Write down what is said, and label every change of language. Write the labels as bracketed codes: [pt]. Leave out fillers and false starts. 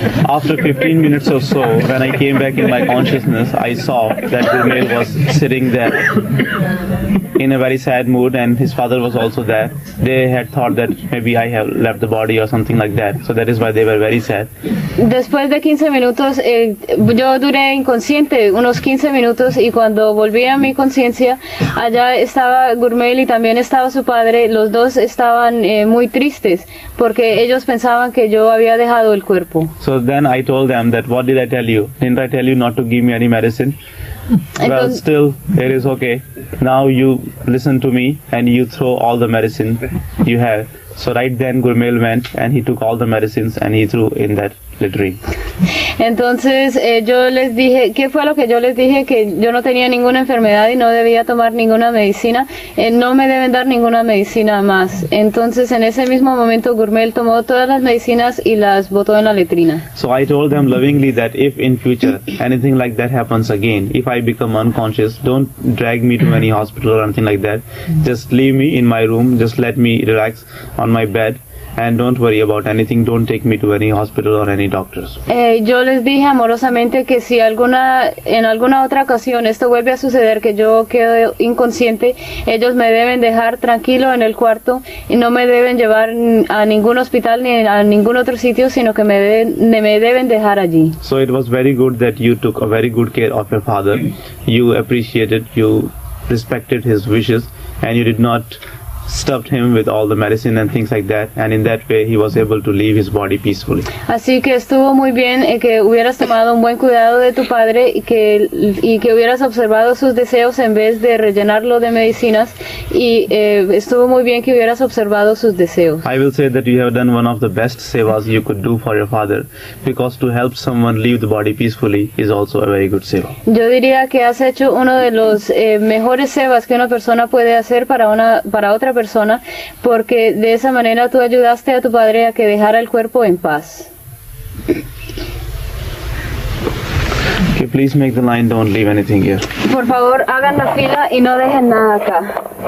[en] After 15 minutes or so, when I came back in my consciousness, I saw that the male was sitting there in a very sad mood, and his father was also there. They had thought that maybe I have left the body or something like that, so that is why they were very sad. [es] Después de 15 minutos, yo duré inconsciente unos 15 minutos, y cuando volví a mi conciencia, allá estaba Gurmail y también estaba su padre. Los dos estaban muy tristes porque ellos pensaban que yo había dejado el cuerpo. [en] So then I told them that, what did I tell you? Didn't I tell you not to give me any medicine? Well, still, it is okay. Now you listen to me and you throw all the medicine you have. So right then Gurmail went and he took all the medicines and he threw in that littering. [es] Entonces yo les dije, ¿qué fue lo que yo les dije? Que yo no tenía ninguna enfermedad y no debía tomar ninguna medicina. No me deben dar ninguna medicina más. Entonces en ese mismo momento Gurmail tomó todas las medicinas y las botó en la letrina. [en] So I told them lovingly that if in future anything like that happens again, if I become unconscious, don't drag me to any hospital or anything like that. Just leave me in my room, just let me relax on my bed. And don't worry about anything, don't take me to any hospital or any doctors. [es] Yo les dije amorosamente que si en alguna otra ocasión esto vuelve a suceder, que yo quedo inconsciente, ellos me deben dejar tranquilo en el cuarto y no me deben llevar a ningún hospital ni a ningún otro sitio, sino que me deben dejar allí. [en] So it was very good that you took a very good care of your father. You appreciated, you respected his wishes, and you did not stuffed him with all the medicine and things like that, and in that way he was able to leave his body peacefully. [es] Así que estuvo muy bien que hubieras tomado un buen cuidado de tu padre y que hubieras observado sus deseos en vez de rellenarlo de medicinas, y estuvo muy bien que hubieras observado sus deseos. [en] I will say that you have done one of the best sevas you could do for your father, because to help someone leave the body peacefully is also a very good seva. [es] Yo diría que has hecho uno de los mejores sevas que una persona puede hacer para otra persona, porque de esa manera tú ayudaste a tu padre a que dejara el cuerpo en paz. [en] Okay, please make the line, don't leave anything here. [es] Por favor, hagan la fila y no dejen nada acá.